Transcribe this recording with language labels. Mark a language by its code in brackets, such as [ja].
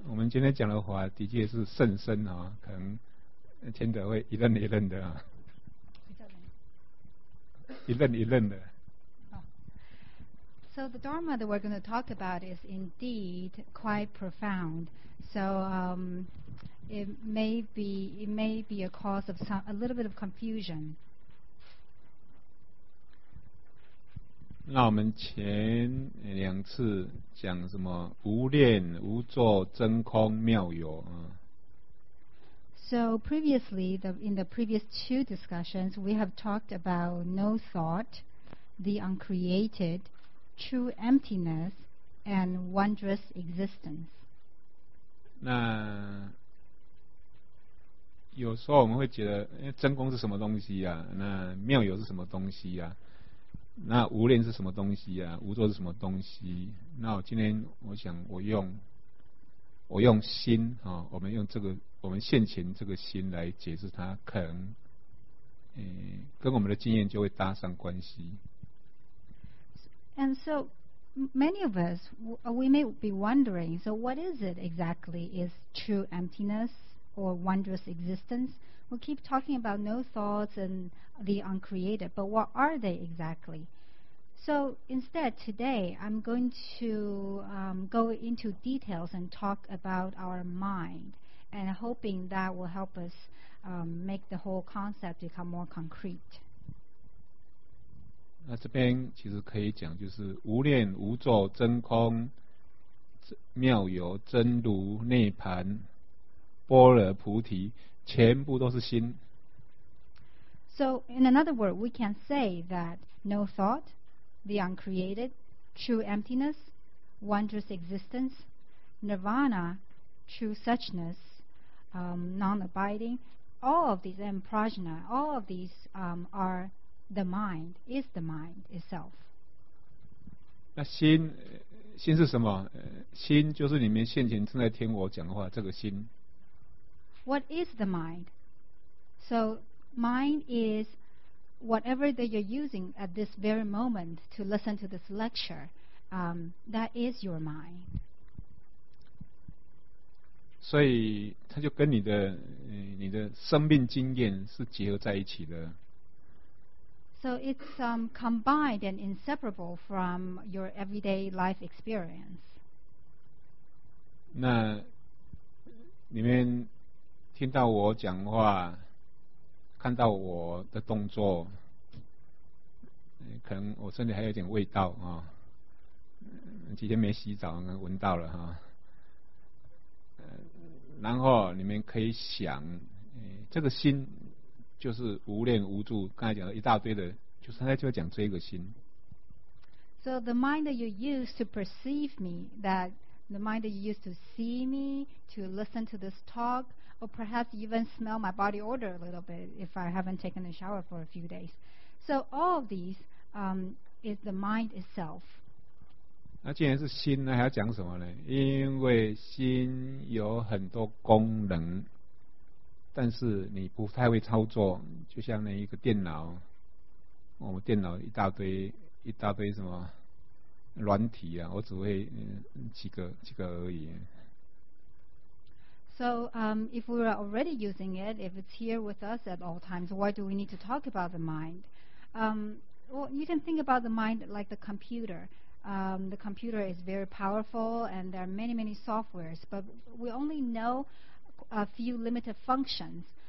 [zh] 今天讲的话的确是甚深啊，可能前者会一愣一愣的啊，一愣一愣的。 [en] So the Dharma that we're going to talk about is indeed quite profound. So it may be a cause of some, a little bit of confusion. [zh] 那我们前两次讲什么？无念、无作、真空、妙有啊。 [en] So previously, in the previous two discussions, we have talked about no thought, the uncreated. True emptiness and wondrous existence. [zh] 那有时候我们会觉得，真空是什么东西啊？那妙有是什么东西啊？那无念是什么东西啊？无作是什么东西？那我今天我想我用心啊，我们用这个我们现前这个心来解释它，可能跟我们的经验就会搭上关系。 [en] And so many of us, we may be wondering, so what is it exactly? Is true emptiness or wondrous existence? We keep talking about no thoughts and the uncreated, but what are they exactly? So instead, today, I'm going to go into details and talk about our mind, and hoping that will help us make the whole concept become more concrete. [zh] 那这边其实可以讲，就是无念、无作、真空、妙有、真如、涅槃、般若菩提，全部都是心。 [en] So in another word, we can say that no thought, the uncreated, true emptiness, wondrous existence, nirvana, true suchness, non-abiding, all of these and prajna, all of these are. The mind is the mind itself. [zh] 那心，心是什么？心就是你们现前正在听我讲的话，这个心。 [en] What is the mind? So mind is whatever that you're using at this very moment to listen to this lecture. That is your mind. [zh] 所以它就跟你的生命经验是结合在一起的。 [en] So it's combined and inseparable from your everyday life experience. [zh] 那你们听到我讲话，看到我的动作，可能我身体还有点味道啊，几天没洗澡，闻到了哈。然后你们可以想，这个心就是无念无住，刚才讲了一大堆的。就是他就要讲这个心。 [en] So the mind that you use to perceive me, that the mind that you use to see me, to listen to this talk, or perhaps even smell my body odor a little bit if I haven't taken a shower for a few days. So all of these is the mind itself. [zh] 那既然是心，那还要讲什么呢？因为心有很多功能，但是你不太会操作，就像那一个电脑。我们电脑一大堆什么软体啊，我只会几个而已。 [en] So, if we are already using it, if it's here with us at all times, why do we need to talk about the mind? Well, you can think about the mind like the computer. The computer is very powerful, and there are many, many softwares, but we only know a few limited functions.